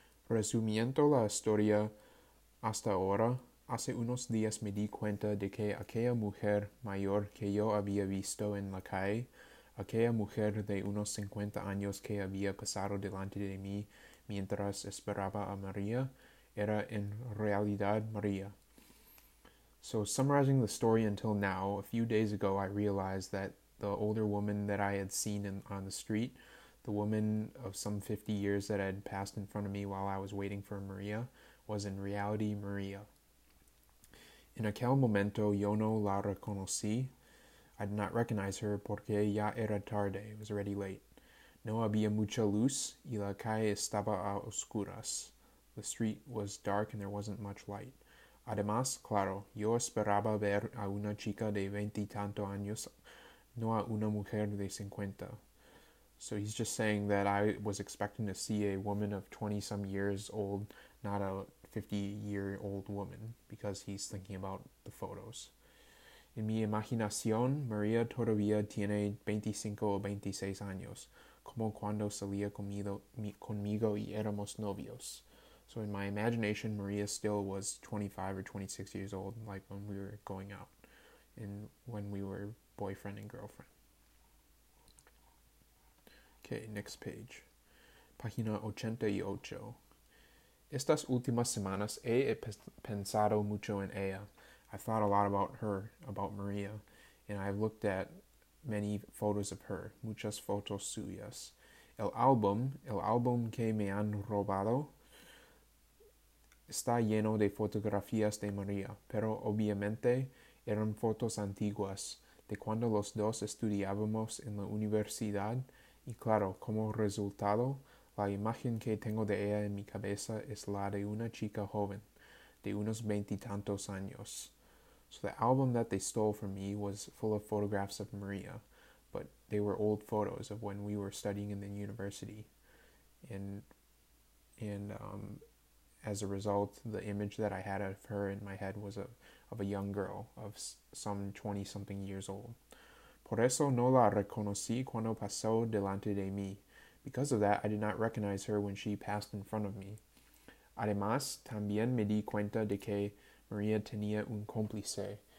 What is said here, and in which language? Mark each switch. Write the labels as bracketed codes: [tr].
[es] Resumiendo la historia hasta ahora, hace unos días me di cuenta de que aquella mujer mayor que yo había visto en la calle, aquella mujer de unos 50 años que había pasado delante de mí mientras esperaba a María, era en realidad María. [en] So, summarizing the story until now, a few days ago I realized that the older woman that I had seen on the street, the woman of some 50 years that had passed in front of me while I was waiting for María, was in reality María. [es] En aquel momento yo no la reconocí. [en] I did not recognize her [es] porque ya era tarde, [en] it was already late. [es] No había mucha luz y la calle estaba a oscuras. [en] The street was dark and there wasn't much light. [es] Además, claro, yo esperaba ver a una chica de veintitantos años, no a una mujer de cincuenta. [en] So he's just saying that I was expecting to see a woman of 20 some years old, not a 50-year-old woman, because he's thinking about the photos. [es] En mi imaginación, María todavía tiene 25 o 26 años, como cuando salía conmigo y éramos novios. [en] So in my imagination, María still was 25 or 26 years old, like when we were going out and when we were boyfriend and girlfriend. Okay, next page. [es] Página 88. Estas últimas semanas he pensado mucho en ella. [en] I thought a lot about her, about Maria, and I've looked at many photos of her, [es] muchas fotos suyas. El álbum que me han robado está lleno de fotografías de Maria, pero obviamente eran fotos antiguas de cuando los dos estudiábamos en la universidad, y claro, como resultado, la imagen que tengo de ella en mi cabeza es la de una chica joven, de unos veintitantos años. [en] So the album that they stole from me was full of photographs of Maria, but they were old photos of when we were studying in the university. And as a result, the image that I had of her in my head was of a young girl of some 20-something years old. [es] Por eso no la reconocí cuando pasó delante de mí. [en] Because of that, I did not recognize her when she passed in front of me. [es] Además, también me di cuenta de que Maria tenía un cómplice.